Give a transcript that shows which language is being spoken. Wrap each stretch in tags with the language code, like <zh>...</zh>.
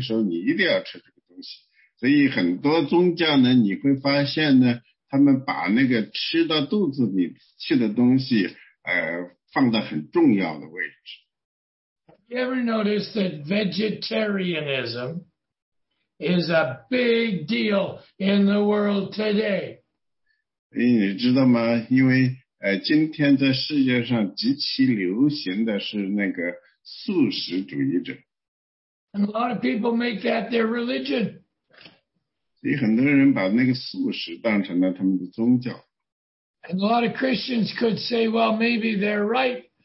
<zh>实际上呢，这个呢，有些宗教说在一年的某一个时刻呢，你不能吃某些东西；那另外一些宗教说在一年的某些这个时候，你一定要吃这个东西。所以很多宗教呢，你会发现呢，他们把那个吃到肚子里去的东西，放到很重要的位置。</zh> <en>Have you ever noticed that vegetarianism is a big deal in the world today?</en> <zh>你知道吗？因为今天在世界上极其流行的是那个素食主义者。</zh> <en>And a lot of people make that their religion.</en> <zh>所以很多人把那个素食当成了他们的宗教。</zh> <en>And a lot of Christians could say, well, maybe they're right.</en>